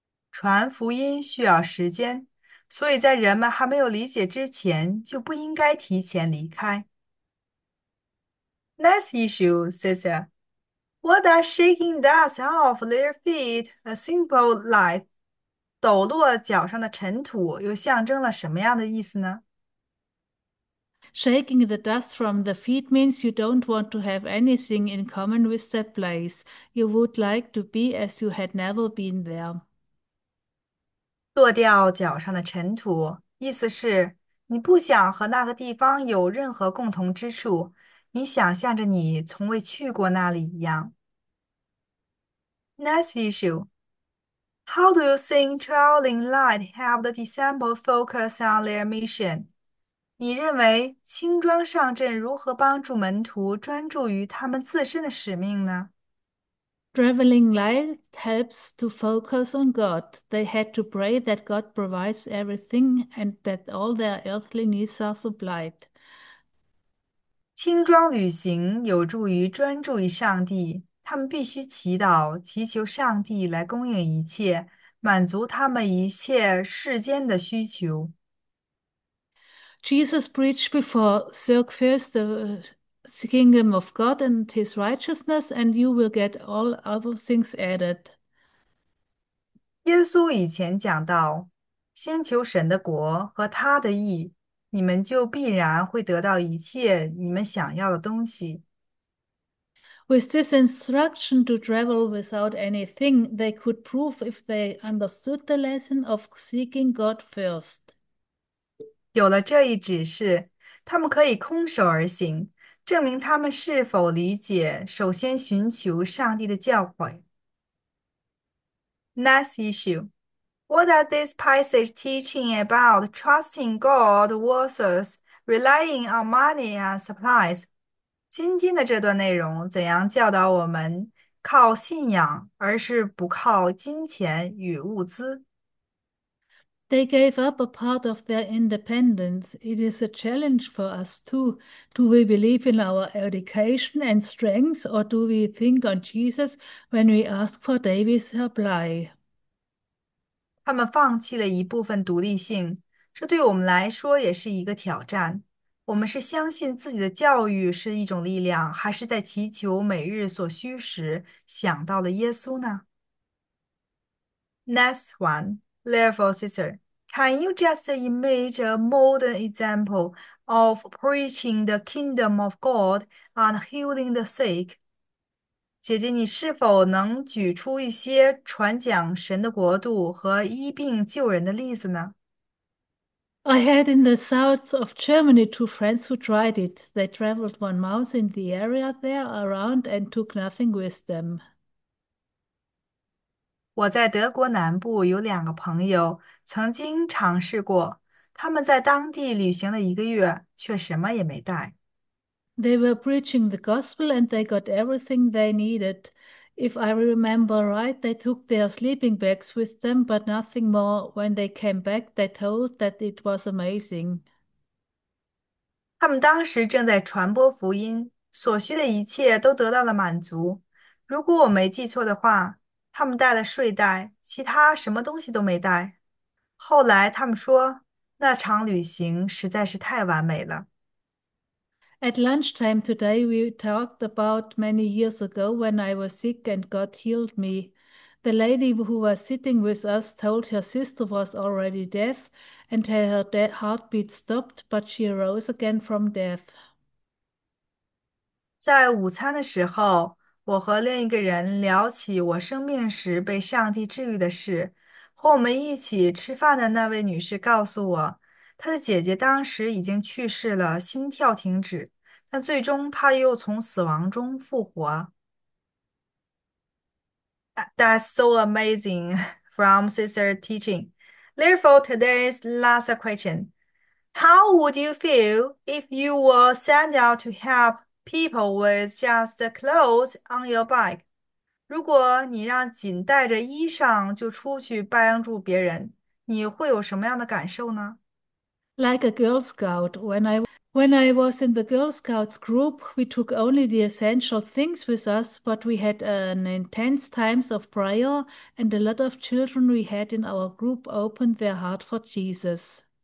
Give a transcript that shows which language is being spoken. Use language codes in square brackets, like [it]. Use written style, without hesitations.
[zh] 传福音需要时间，所以在人们还没有理解之前，就不应该提前离开。 [en] Next issue, Cecilia. What does shaking dust off their feet a symbol like? [zh] 抖落脚上的尘土又象征了什么样的意思呢？ [en] Shaking the dust from the feet means you don't want to have anything in common with that place. You would like to be as you had never been there. [zh] 剁掉脚上的尘土，意思是你不想和那个地方有任何共同之处，你想象着你从未去过那里一样。 [en] Next issue. How do you think traveling light help the disciples focus on their mission? [zh] 你认为轻装上阵如何帮助门徒专注于他们自身的使命呢？ [en] Traveling light helps to focus on God. They had to pray that God provides everything and that all their earthly needs are supplied. [zh] 轻装旅行有助于专注于上帝，他们必须祈祷，祈求上帝来供应一切，满足他们一切世间的需求。 [en] Jesus preached before, seek first the kingdom of God and his righteousness, and you will get all other things added. [zh] 耶稣以前讲到，先求神的国和他的义。你们就必然会得到一切你们想要的东西。 [en] With this instruction to travel without anything, they could prove if they understood the lesson of seeking God first. [zh] 有了这一指示，他们可以空手而行，证明他们是否理解首先寻求上帝的教诲。 [en] Next issue。 What are this passage teaching about trusting God versus relying on money and supplies? [zh] 今天的这段内容怎样教导我们靠信仰，而是不靠金钱与物资？ [en] They gave up a part of their independence. It is a challenge for us too. Do we believe in our education and strengths, or do we think on Jesus when we ask for daily supply? [zh] 他们放弃了一部分独立性，这对我们来说也是一个挑战。我们是相信自己的教育是一种力量，还是在祈求每日所需时想到了耶稣呢？ [en] Next one, therefore, sister, can you just image a modern example of preaching the kingdom of God and healing the sick? [zh] 姐姐，你是否能举出一些传讲神的国度和医病救人的例子呢？ [en] I had in the south of Germany two friends who tried it. They traveled 1 month in the area there around and took nothing with them. [zh] 我在德国南部有两个朋友曾经尝试过，他们在当地旅行了1个月，却什么也没带。 [en] They were preaching the gospel and they got everything they needed. If I remember right, they took their sleeping bags with them, but nothing more. When they came back, they told that it was amazing. [zh] 他们当时正在传播福音，所需的一切都得到了满足。如果我没记错的话，他们带了睡袋，其他什么东西都没带。后来他们说，那场旅行实在是太完美了。 [en] At lunchtime today, we talked about many years ago when I was sick and God healed me. The lady who was sitting with us told her sister was already deaf and her de heartbeat stopped, but she arose again from death. [zh] 在午餐的时候，我和另一个人聊起我生病时被上帝治愈的事，和我们一起吃饭的那位女士告诉我，他的姐姐当时已经去世了，心跳停止，但最终他又从死亡中复活。 [en] That's so amazing from sister teaching. Therefore, today's last question. How would you feel if you were sent out to help people with just the clothes on your bike? [zh] 如果你让仅带着衣裳就出去帮助别人，你会有什么样的感受呢？ [en] Like a Girl Scout, when I was in the Girl Scouts group, we took only the essential things with us, but we had an intense times of prayer, and a lot of children we had in our group opened their heart for Jesus.